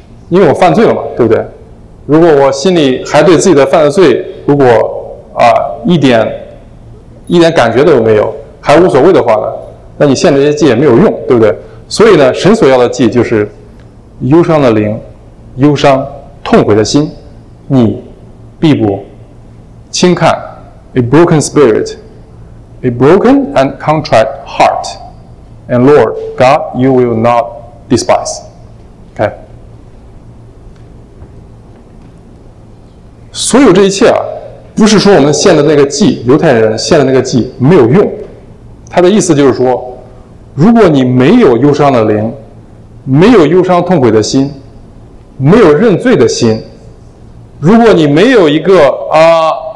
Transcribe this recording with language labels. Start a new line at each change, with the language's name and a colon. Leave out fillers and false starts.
Chinese: 因为我犯罪了嘛，对不对？如果我心里还对自己的犯的罪，如果啊一点感觉都没有，还无所谓的话呢，那你献这些祭也没有用，对不对？所以呢，神所要的祭就是忧伤的灵，忧伤痛悔的心，你必不轻看。
English: A broken spirit, a broken and contrite heart, and Lord God, you will not despise.
Chinese: OK, 所有这一切啊，不是说我们献的那个祭，犹太人献的那个祭没有用，他的意思就是说，如果你没有忧伤的灵，没有忧伤痛悔的心，没有认罪的心，如果你没有一个啊